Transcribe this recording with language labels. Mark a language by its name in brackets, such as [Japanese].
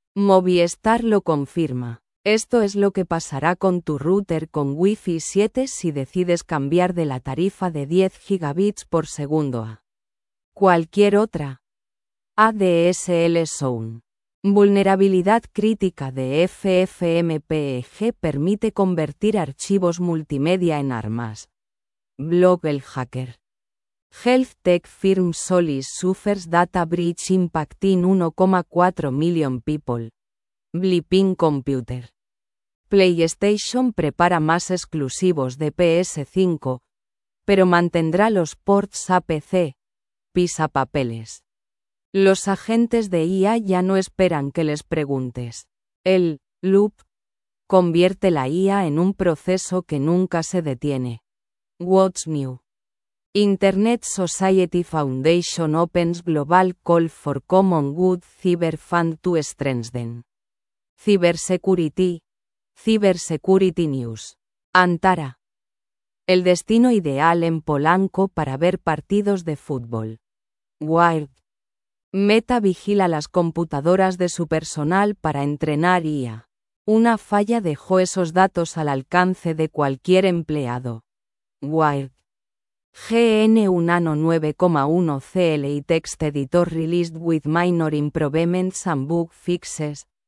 [Spanish] Movistar lo confirma. Esto es lo que pasará con tu router con Wi-Fi 7 si decides cambiar de la tarifa de 10 gigabits por segundo a cualquier otra. ADSL Zone. Vulnerabilidad crítica de FFmpeg permite convertir archivos multimedia en armas. Blog el hacker. [English] Health tech firm Solis suffers data breach impacting 1,4 million people. Bleeping computer. [Spanish] PlayStation prepara más exclusivos de PS5, pero mantendrá los ports a PC. Pisa papeles. Los agentes de IA ya no esperan que les preguntes. El loop convierte la IA en un proceso que nunca se detiene. [English] What's new? Internet Society Foundation opens global call for common good cyber fund to strengthen. Cybersecurity. Cybersecurity News. Antara. [Spanish] El destino ideal en Polanco para ver partidos de fútbol. Wired. Meta vigila las computadoras de su personal para entrenar IA. Una falla dejó esos datos al alcance de cualquier empleado. Wired. [English] GNU Nano 9.1 CLI Text Editor released with minor improvements and bug fixes.